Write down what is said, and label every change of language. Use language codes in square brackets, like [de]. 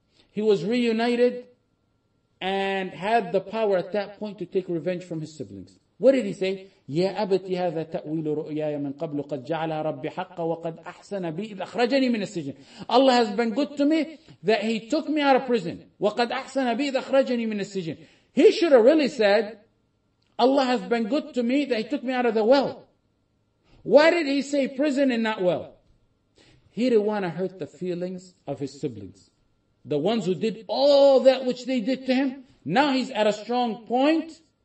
[en] He was reunited and had the power at that point to take revenge from his siblings. What did he say? [ar] يَا أَبَتِ هَذَا تَأْوِيلُ رُؤْيَايَ مِنْ قَبْلُ قَدْ جَعَلَ رَبِّ حَقَّ وَقَدْ أَحْسَنَ بِي إِذْ أَخْرَجَنِي مِنَ السِّجْنِ. [en] Allah has been good to me that He took me out of prison. [ar] وَقَدْ أَحْسَنَ بِي إِذْ أَخْرَجَنِي مِنَ السِّجْنِ. [en] He should have really said, Allah has been good to me that He took me out of the well. Why did he say prison and not well? He didn't want to hurt the feelings of his siblings. The ones who did all that which they did to him. Now he's at a strong point.